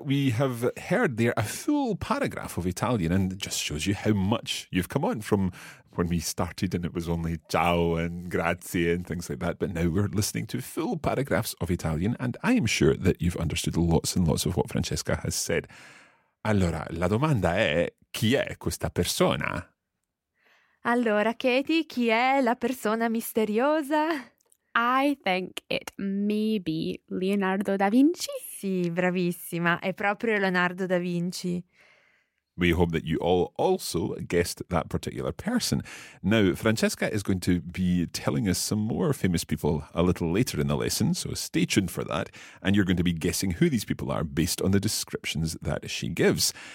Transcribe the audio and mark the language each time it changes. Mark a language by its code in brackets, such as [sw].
[en] We have heard there a full paragraph of Italian, and it just shows you how much you've come on from when we started, and it was only ciao and grazie and things like that. But now we're listening to full paragraphs of Italian, and I am sure that you've understood lots and lots of what Francesca has said. [it] Allora, la domanda è: chi è questa persona? Allora, Katie, chi è la persona misteriosa? [en] I think it may be Leonardo da Vinci. [it] Sì, bravissima, è proprio Leonardo da Vinci. [en] We hope that you all also guessed that particular person. Now, Francesca is going to be telling us some more famous people a little later in the lesson, so stay tuned for that, and you're going to be guessing who these people are based on the descriptions that she gives.